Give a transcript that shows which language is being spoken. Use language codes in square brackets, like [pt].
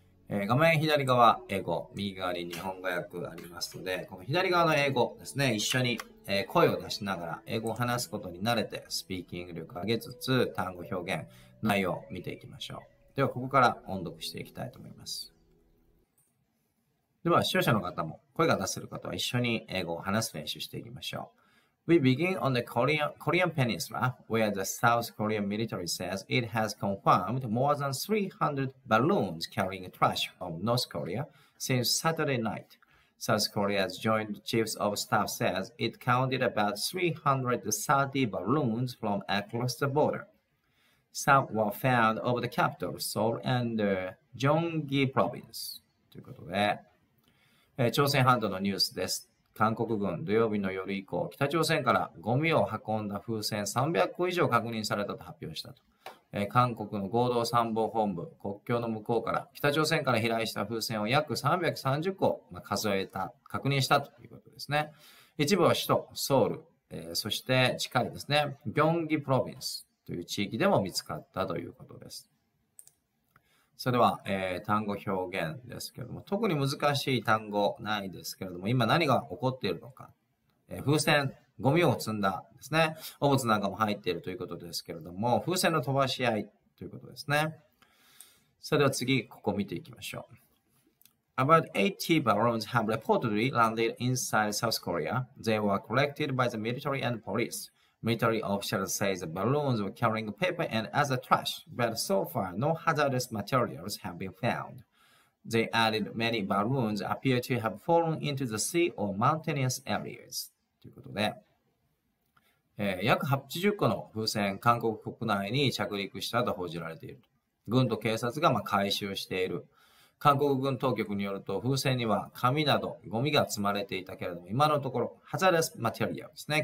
[ja] 画面左側英語、右側に日本語訳ありますので、この左側の英語ですね、一緒に声を出しながら英語を話すことに慣れて、スピーキング力を上げつつ単語表現内容を見ていきましょう。ではここから音読していきたいと思います。では視聴者の方も声が出せる方は一緒に英語を話す練習していきましょう。 [en] We begin on the Korean Peninsula, where the South Korean military says it has confirmed more than 300 balloons carrying trash from North Korea since Saturday night. South Korea's Joint Chiefs of Staff says it counted about 330 balloons from across the border. Some were found over the capital, Seoul and the Gyeonggi province. [ja] ということで、朝鮮半島のニュースです。韓国軍、土曜日の夜以降、北朝鮮からゴミを運んだ風船300個以上確認されたと発表したと。韓国の合同参謀本部、国境の向こうから、北朝鮮から飛来した風船を約330個、数えた、確認したということですね。一部は首都、ソウル、そして近いですね、ギョンギプロビンスという地域でも見つかったということです。それでは、単語表現ですけれども、特に難しい単語ないですけれども、今何が起こっているのか。風船、ゴミを積んだですね。汚物なんかも入っているということですけれども、風船の飛ばし合いということですね。それでは次、ここ見ていきましょう。 [en] About 80 balloons have reportedly landed inside South Korea. They were collected by the military and police. Military officials say the balloons were carrying paper and other trash, but so far no hazardous materials have been found. They added many balloons appear to have fallen into the sea or mountainous areas. [ja] ということで、約80個の風船、韓国国内に着陸したと報じられている。軍と警察が回収している。韓国軍当局によると、風船には紙などゴミが積まれていたけれども、今のところ、ハザレスマテリアルですね。